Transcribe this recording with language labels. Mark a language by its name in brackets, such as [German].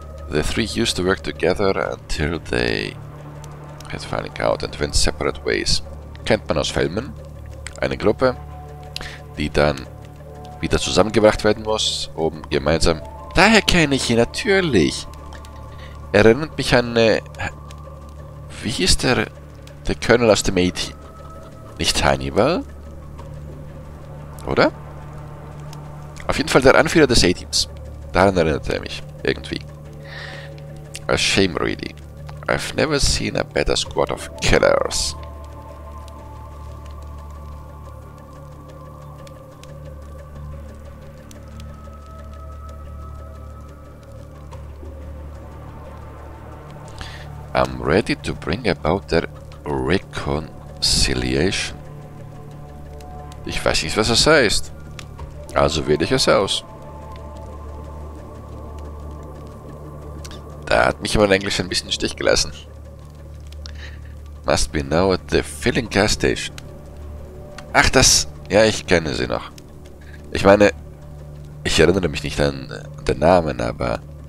[English] The three used to work together until they had falling out and went separate ways. [German] Kennt man aus Filmen. Eine Gruppe, die dann wieder zusammengebracht werden muss, um gemeinsam... Daher kenne ich ihn, natürlich. Erinnert mich an... Wie hieß der... Der Colonel aus dem A-Team? Nicht Hannibal? Oder? Auf jeden Fall der Anführer des A-Teams. Daran erinnert er mich. Irgendwie. [English] A shame, really. I've never seen a better squad of killers. I'm ready to bring about their reconciliation. [German] Ich weiß nicht, was das heißt. Also wähle ich es aus. Da hat mich aber in Englisch ein bisschen Stich gelassen. [English] Must be now at the filling gas station. [German] Ach, das... Ja, ich kenne sie noch. Ich meine, ich erinnere mich nicht an den Namen, aber...